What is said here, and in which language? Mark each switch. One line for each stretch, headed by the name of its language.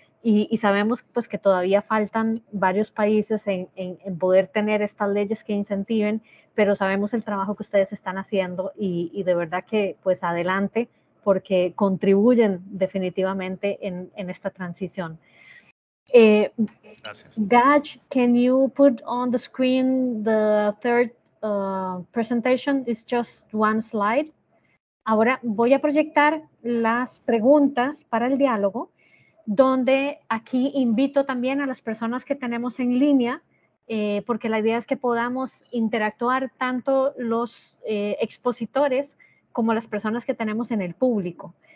Spanish: Y sabemos pues, que todavía faltan varios países en poder tener estas leyes que incentiven, pero sabemos el trabajo que ustedes están haciendo y de verdad que pues adelante, porque contribuyen definitivamente en esta transición.
English: Gaj, can you put on the screen the third presentation? It's just one slide.
Spanish: Ahora voy a proyectar las preguntas para el diálogo, donde aquí invito también a las personas que tenemos en línea, porque la idea es que podamos interactuar tanto los expositores como las personas que tenemos en el público.